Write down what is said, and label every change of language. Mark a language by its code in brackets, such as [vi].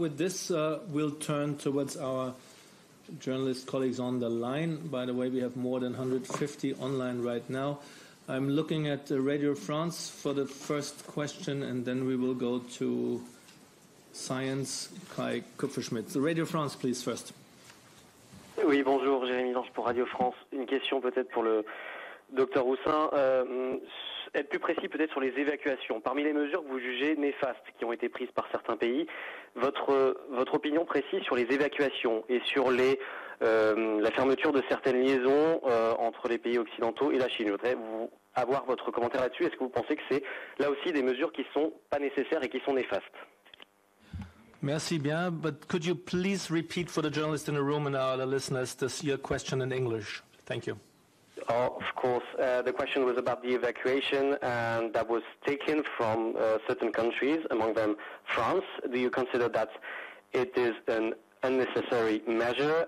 [en] With this, we'll turn towards our journalist colleagues on the line. By the way, we have more than 150 online right now. I'm looking at Radio France for the first question, and then we will go to Science, Kai Kupferschmidt. Radio France, please, first. [fr] Oui, bonjour, Jérémy Lange pour Radio France. Une question peut-être pour le docteur Hussain. Être plus précis peut-être sur les évacuations. Parmi les mesures que vous jugez néfastes qui ont été prises par certains pays, votre opinion précise sur les évacuations et sur la fermeture de certaines liaisons entre les pays occidentaux et la Chine. Je voudrais avoir votre commentaire là-dessus. Est-ce que vous pensez que c'est là aussi des mesures qui ne sont pas nécessaires et qui sont néfastes? Merci bien, [en] but could you please repeat for the journalists in the room and our listeners your question in English? Thank you. Oh, of course. The question was about the evacuation, and that was taken from certain countries, among them France. Do you consider that it is an unnecessary measure?